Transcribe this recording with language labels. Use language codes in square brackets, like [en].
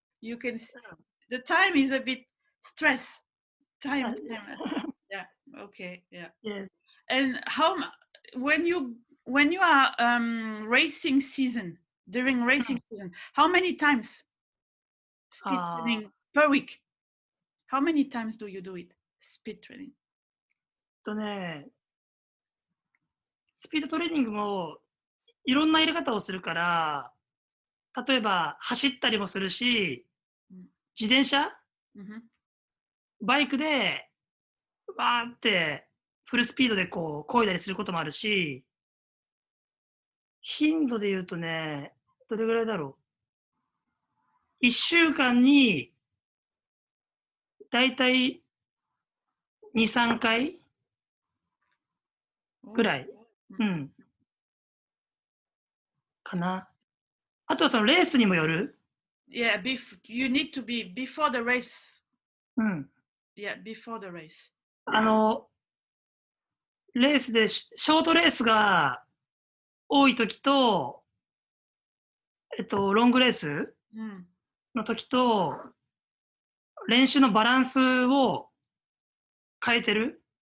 [en] You can see. The time is a bit stress. Time. Yeah. Okay. Yeah. Yes. And when you are racing season, during racing season, how many times speed training per week? How many times do you do it? Speed training? [ja] スピードトレーニングもいろんなやり方をするから、例えば走ったりもするし、自転車、バイクでわーってフルスピードでこう漕いだりすることもあるし、頻度で言うとね、どれぐらいだろう。 1週間にだいたい2、3回ぐらい。うん。かな。あとはそのレースにもよる? [en] Yeah, you need to be before the race. [ja] うん。 [en] Yeah, before the race. [ja] あの、レースで、ショートレースが多いときと、ロングレースのときと、練習のバランスを変えてる。